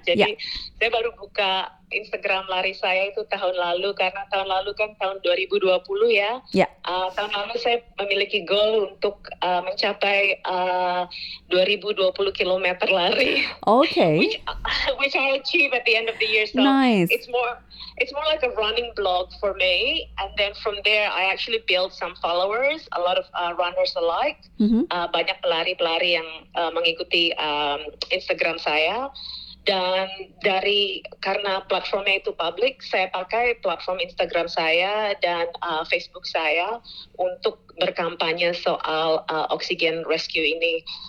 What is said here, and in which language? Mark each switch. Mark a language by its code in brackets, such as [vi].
[id] Jadi saya baru buka Instagram lari saya itu tahun lalu, karena tahun lalu kan tahun 2020 ya. Tahun lalu saya memiliki goal untuk mencapai 2020 kilometer lari. [en] Okay. Which I achieve at the end of the year. So nice. It's more like a running blog for me, and then from there I actually build some followers, a lot of runners alike. [id] Banyak pelari-pelari yang mengikuti Instagram saya. Dan dari, karena platformnya itu public, saya pakai platform Instagram saya dan Facebook saya untuk berkampanye soal oksigen rescue ini.